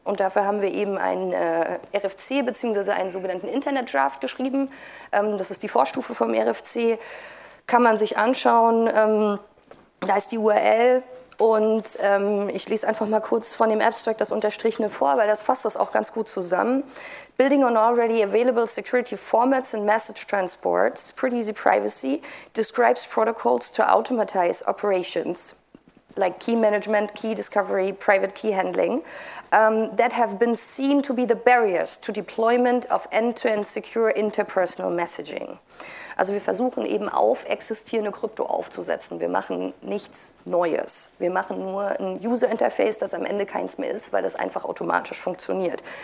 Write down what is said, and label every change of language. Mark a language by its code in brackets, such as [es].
[de] Und dafür haben wir eben ein RFC bzw. einen sogenannten Internet-Draft geschrieben. Das ist die Vorstufe vom RFC. Kann man sich anschauen. Da ist die URL. Und ich lese einfach mal kurz von dem Abstract das Unterstrichene vor, weil das fasst das auch ganz gut zusammen. [en] Building on already available security formats and message transports, pretty easy privacy, describes protocols to automatize operations, like key management, key discovery, private key handling, that have been seen to be the barriers to deployment of end-to-end secure interpersonal messaging. [de] Also wir versuchen eben auf existierende Krypto aufzusetzen. Wir machen nichts Neues. Wir machen nur ein User-Interface, das am Ende keins mehr ist, weil das einfach automatisch funktioniert.